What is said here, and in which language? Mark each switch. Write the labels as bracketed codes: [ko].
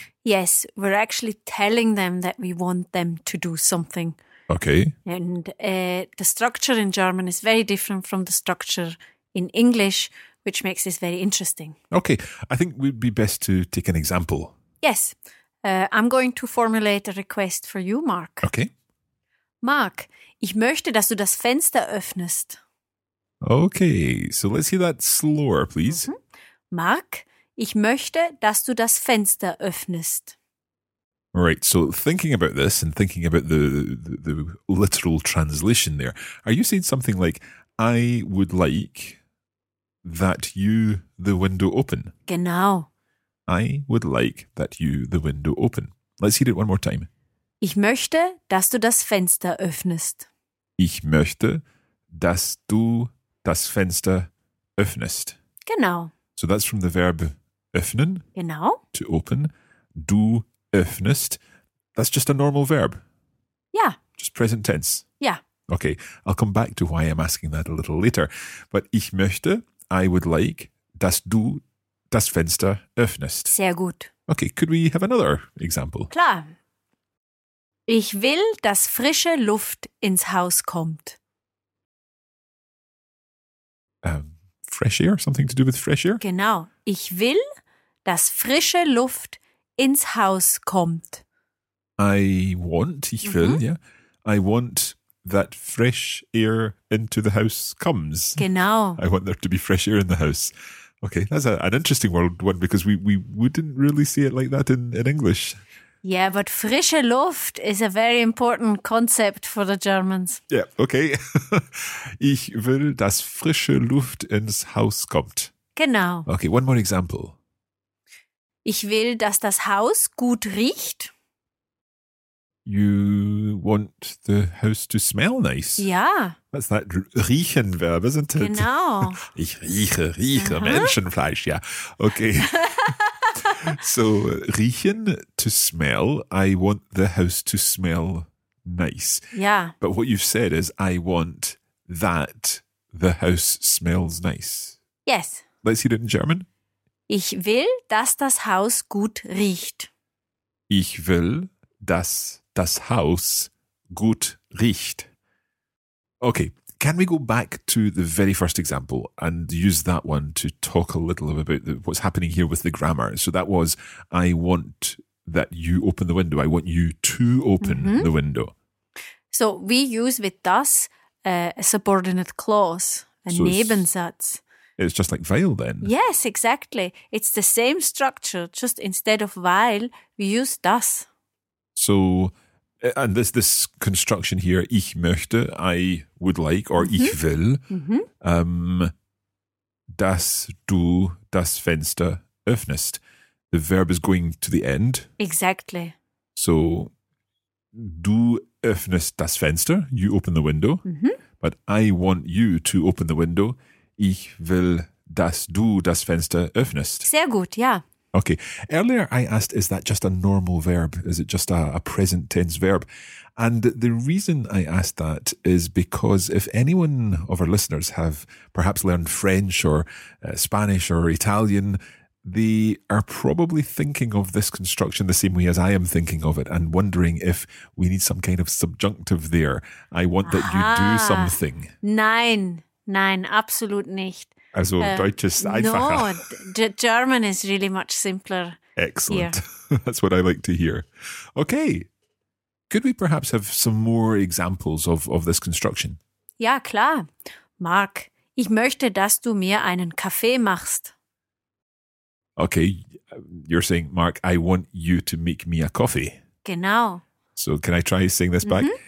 [en] Yes, we're actually telling them that we want them to do something. Okay. And the structure in German is very different from the structure in English, which makes this very interesting. Okay, I think it would be best to take an example. Yes, I'm going to formulate a request for you, Mark. Okay. [de] Mark, ich möchte, dass du das Fenster öffnest. [en] Okay, so let's hear that slower, please. Mm-hmm. [de] Mark, ich möchte, dass du das Fenster öffnest. [en] Right, so thinking about this and thinking about the literal translation there, are you saying something like, I would like that you the window open? [de] Genau. [en] I would like that you the window open. Let's hear it one more time. [de] Ich möchte, dass du das Fenster öffnest. Ich möchte, dass du das Fenster öffnest. Genau. [en] So that's from the verb öffnen. [de] Genau. [en] To open. [de] Du öffnest. [en] That's just a normal verb. Yeah. Just present tense. Yeah. Okay. I'll come back to why I'm asking that a little later. [de] But ich möchte, [en] I would like, [de] dass du das Fenster öffnest. Sehr gut. [en] Okay, could we have another example? [de] Klar. Ich will, dass frische Luft ins Haus kommt. [en] Fresh air? Something to do with fresh air? [de] Genau. Ich will, dass frische Luft ins Haus kommt. [en] I want, [de] ich will, ja. [en] I want that fresh air into the house comes. [de] Genau. [en] I want there to be fresh air in the house. Okay, that's an interesting one because we wouldn't really see it like that in English. Yeah, but frische Luft is a very important concept for the Germans. Yeah, okay. [de] Ich will, dass frische Luft ins Haus kommt. Genau. [en] Okay, one more example. [de] Ich will, dass das Haus gut riecht. [en] You want the house to smell nice. Yeah. That's that riechen verb, isn't it? [de] Genau. Ich rieche, uh-huh. Menschenfleisch, yeah. Okay. [en] So, riechen, to smell. I want the house to smell nice. Yeah. But what you've said is, I want that the house smells nice. Yes. Let's hear it in German. [de] Ich will, dass das Haus gut riecht. Ich will, dass das Haus gut riecht. Okay, [en] Can we go back to the very first example and use that one to talk a little about what's happening here with the grammar? So that was, I want that you open the window. I want you to open the window. So we use with das a subordinate clause, Nebensatz. It's just like weil then. Yes, exactly. It's the same structure, just instead of weil, we use das. So, and this construction here, [de] ich möchte, [en] I would like, or [de] ich will, dass du das Fenster öffnest. [en] The verb is going to the end. Exactly. So, [de] du öffnest das Fenster, [en] you open the window, but I want you to open the window. [de] Ich will, dass du das Fenster öffnest. Sehr gut, ja. [en] Okay. Earlier I asked, is that just a normal verb? Is it just a present tense verb? And the reason I asked that is because if anyone of our listeners have perhaps learned French or Spanish or Italian, they are probably thinking of this construction the same way as I am thinking of it and wondering if we need some kind of subjunctive there. I want that you do something. [de] Nein. Nein, absolut nicht. Also Deutsch ist einfacher. [en] No, German is really much simpler. Excellent. That's what I like to hear. Okay. Could we perhaps have some more examples of this construction? [de] Ja, klar. Mark, ich möchte, dass du mir einen Kaffee machst. [en] Okay, you're saying, Mark, I want you to make me a coffee. [de] Genau. [en] So can I try saying this back?